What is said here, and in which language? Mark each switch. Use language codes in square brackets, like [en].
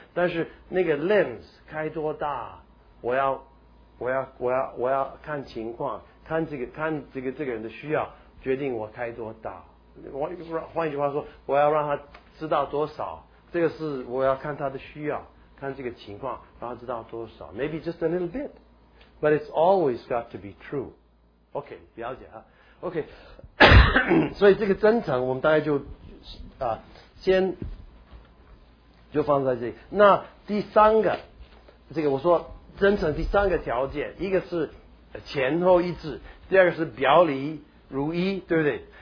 [zh] 但是那个 lens 开多大，我要看情况，看这个人的需要，决定我开多大。换一句话说，我要让他知道多少，这个是我要看他的需要，看这个情况，让他知道多少。 [en] Maybe just a little bit, but it's always got to be true. [zh] OK， 了解啊。 OK， 所以这个真诚，我们大概就啊，先就放在这里。那第三个，这个我说真诚第三个条件，一个是前后一致，第二个是表里如一，对不对？